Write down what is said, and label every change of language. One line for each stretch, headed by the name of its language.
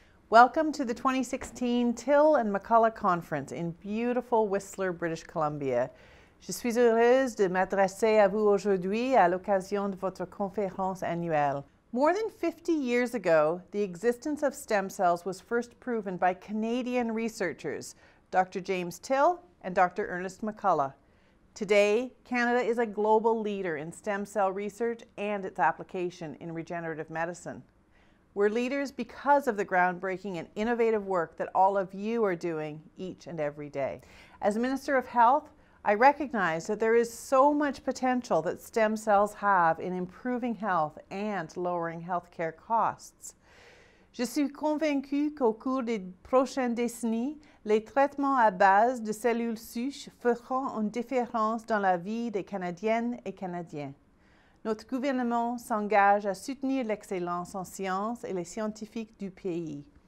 English: Welcome to the 2016 Till and McCullough Conference in beautiful Whistler, British Columbia.
French: Je suis heureuse de m'adresser à vous aujourd'hui à l'occasion de votre conférence annuelle.
English: More than 50 years ago, the existence of stem cells was first proven by Canadian researchers, Dr. James Till and Dr. Ernest McCullough. Today, Canada is a global leader in stem cell research and its application in regenerative medicine. We're leaders because of the groundbreaking and innovative work that all of you are doing each and every day. As Minister of Health, I recognize that there is so much potential that stem cells have in improving health and lowering healthcare costs.
French: Je suis convaincue qu'au cours des prochaines décennies, les traitements à base de cellules souches feront une différence dans la vie des Canadiennes et Canadiens. Notre gouvernement s'engage à soutenir l'excellence en sciences et les scientifiques du pays.